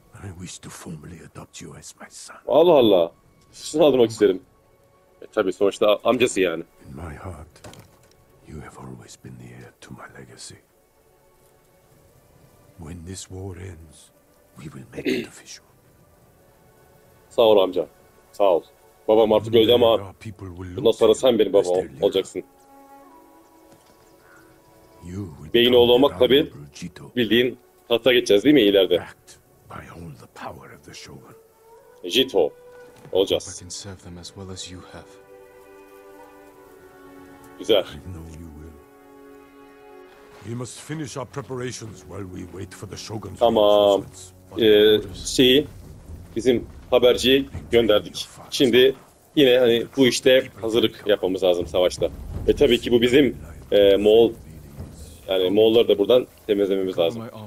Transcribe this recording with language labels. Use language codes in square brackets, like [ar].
[en] I wish to formally adopt you as my son. [tr] Allah Allah. Sizi aldırmak isterim. Tabii sonuçta amcası yani. [en] In my heart, you have always been the heir to my legacy. When this war ends, we will make it official. [tr] Sağ ol amca. Sağ ol. Babam artık öldü ama bundan sonra sen benim baba olacaksın. Beyin oğlu olmak tabii bildiğin tahta geçeceğiz değil mi ileride? Jito olacağız. [en] I can serve them as well as you have. Güzel. I know you will. We must finish our preparations while we wait for the shogun's [tr] reinforcements. Şeyi bizim haberciyi gönderdik. Şimdi yine hani bu işte hazırlık yapmamız lazım savaşta. Ve tabii ki bu bizim Moğol, yani Moğolları da buradan temizlememiz lazım.